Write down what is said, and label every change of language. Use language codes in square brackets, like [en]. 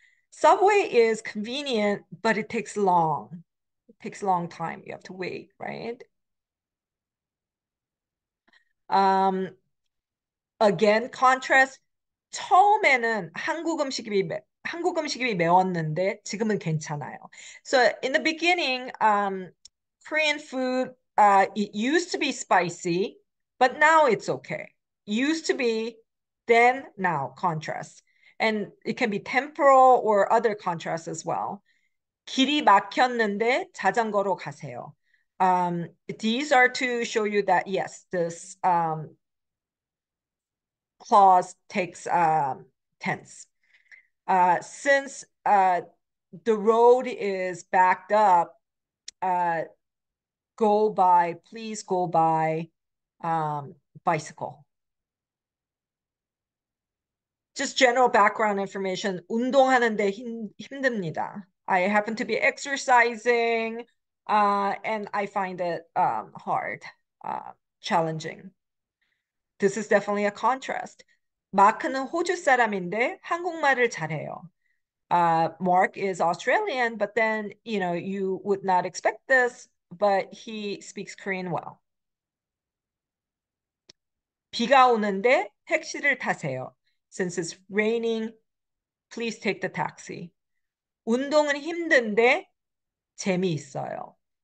[en] Subway is convenient, but it takes long. It takes a long time. You have to wait, right? Again, contrast. [ko] 처음에는 한국 음식이 매웠는데 지금은 괜찮아요. [en] So in the beginning, Korean food, it used to be spicy, but now it's okay. Used to be, then, now, contrast. And it can be temporal or other contrast as well. [ko] 길이 막혔는데 자전거로 가세요. [en] These are to show you that, yes, this clause takes tense. Since the road is backed up, please go by bicycle. Just general background information. [ko] 운동하는데 힘듭니다. [en] I happen to be exercising, and I find it hard, challenging. This is definitely a contrast. [ko] 마크는 호주 사람인데 한국말을 잘해요. [en] Mark is Australian, but then, you would not expect this, but he speaks Korean well. [ko] 비가 오는데 택시를 타세요. [en] Since it's raining, please take the taxi. [ko] 운동은 힘든데 재미있어요.